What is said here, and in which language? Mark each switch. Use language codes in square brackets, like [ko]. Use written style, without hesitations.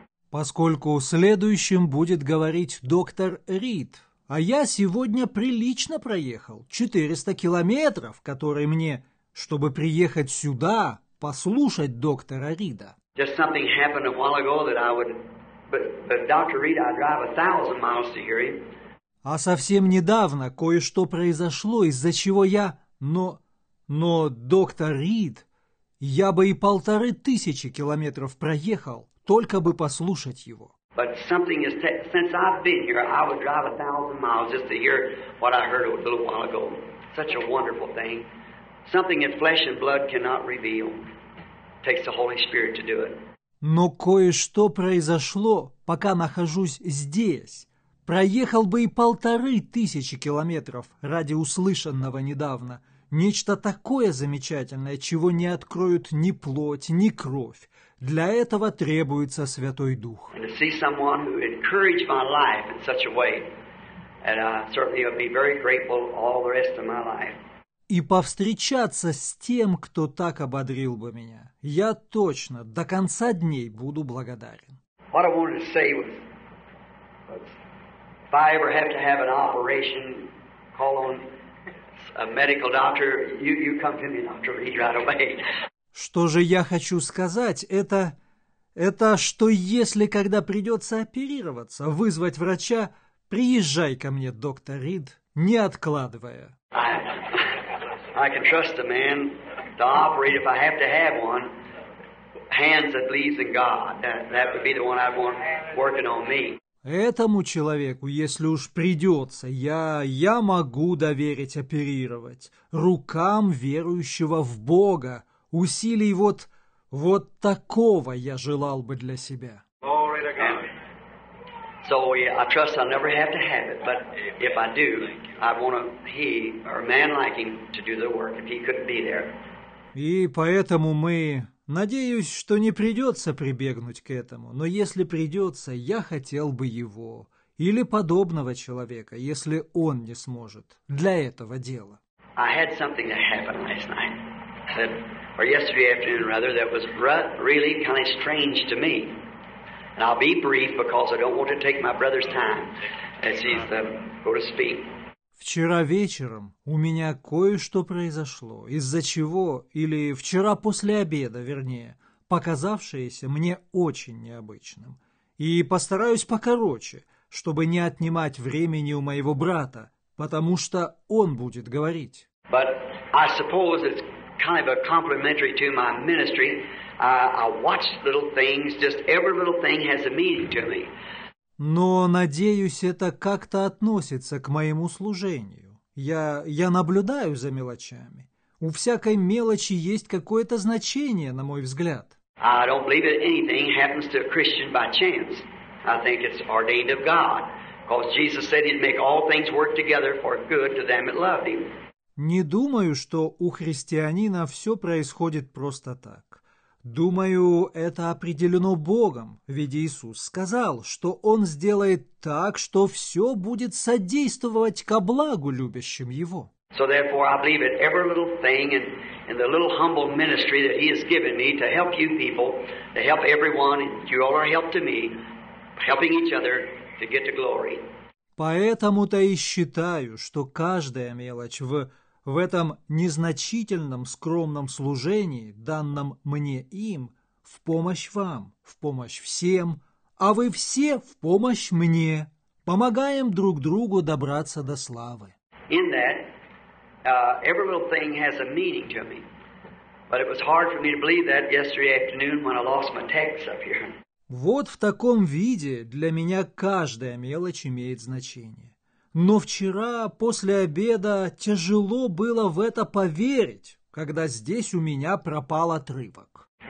[ru] Поскольку следующим будет говорить доктор Рид, а я сегодня прилично проехал 400 километров, которые мне, чтобы приехать сюда, послушать доктора Рида. [en] Just something happened a while ago that I would, but Dr. Reed, I drive 1,000 miles to hear him. [ru] А совсем недавно кое-что произошло, из-за чего я, но доктор Рид, я бы и 1,500 километров проехал, только бы послушать его. [en] But something is since I've been here, I would drive 1,000 miles just to hear what I heard a little while ago. Such a wonderful thing, something that flesh and blood cannot reveal. Takes the Holy Spirit to do it. [ru] Но кое-что произошло, пока нахожусь здесь. Проехал бы и 1,500 километров ради услышанного недавно. Нечто такое замечательное, чего не откроют ни плоть, ни кровь. Для этого требуется Святой Дух. [en] And to see someone who encouraged my life in such a way, and I certainly would be very grateful all the rest of my life. [ru] И повстречаться с тем, кто так ободрил бы меня. Я точно до конца дней буду благодарен. [en] What I wanted to say was, if I ever have to have an operation, call on a medical doctor, you come to me, Dr. Reed, right away. [ru] Что же я хочу сказать, это что если когда придется оперироваться, вызвать врача, приезжай ко мне, доктор Рид, не откладывая. [en] I can trust a man to operate if I have to have one. Hands that believes in God, that would be the one I'd want working on me. [ru] Этому человеку, если уж придется, я могу доверить оперировать рукам верующего в Бога. Усилий вот такого я желал бы для себя. [en] Glory to God. And so I trust I'll never have to have it, but if I do. I want a man like him to do the work if he couldn't be there. [ru] И поэтому мы, надеюсь, что не придется прибегнуть к этому, но если придется, я хотел бы его или подобного человека, если он не сможет для этого дела. [en] I had something that happened last night, or yesterday afternoon rather, that was really kind of strange to me. And I'll be brief because I don't want to take my brother's time as he's going to speak. [ru] Вчера вечером у меня кое-что произошло, из-за чего, или вчера после обеда, вернее, показавшееся мне очень необычным. И постараюсь покороче, чтобы не отнимать времени у моего брата, потому что он будет говорить. [en] But I suppose it's kind of a complimentary to my ministry. I watch little things, just every little thing has a meaning to me. [ru] Но, надеюсь, это как-то относится к моему служению. Я наблюдаю за мелочами. У всякой мелочи есть какое-то значение, на мой взгляд. [en] I don't believe that anything happens to a Christian by chance. I think it's ordained of God. Because Jesus said he'd make all things work together for good to them that loved him. [ru] Не думаю, что у христианина все происходит просто так. Думаю, это определено Богом, ведь Иисус сказал, что Он сделает так, что все будет содействовать ко благу любящим Его. [en] So therefore, I believe that every little thing in the little humble ministry that He has given me to help you people, to help everyone, you all are help to me, helping each other to get to glory. [ru] Поэтому-то и считаю, что каждая мелочь в этом незначительном скромном служении, данном мне им, в помощь вам, в помощь всем, а вы все в помощь мне, помогаем друг другу добраться до славы. [en] In that, every little thing has a meaning to me. But it was hard for me to believe that yesterday afternoon when I lost my text up here. [ru] Вот в таком виде для меня каждая мелочь имеет значение. Но вчера, после обеда, тяжело было в это поверить, когда здесь у меня пропал отрывок.